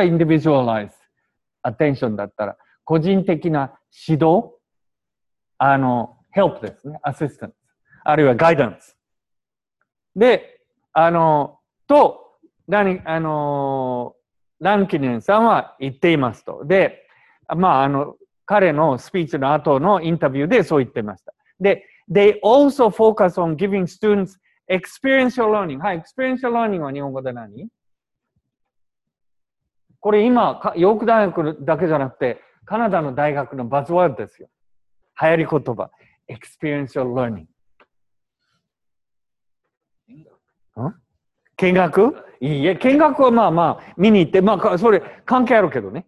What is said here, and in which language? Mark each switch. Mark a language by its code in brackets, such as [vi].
[ja] individualized attention だったら個人的な指導、help ですね、assistance、あるいは guidance で、と何、ランキネンさんは言っていますと。で、まあ、彼のスピーチの後のインタビューでそう言っていました。 [en] で、they also focus on giving students experiential learning. [ja] はい、experiential learning は日本語で何？これ今、ヨーク大学だけじゃなくて、カナダの大学のバズワードですよ。流行り言葉。experiential learning。見学？いいえ、見学はまあまあ、見に行って、まあ、それ関係あるけどね。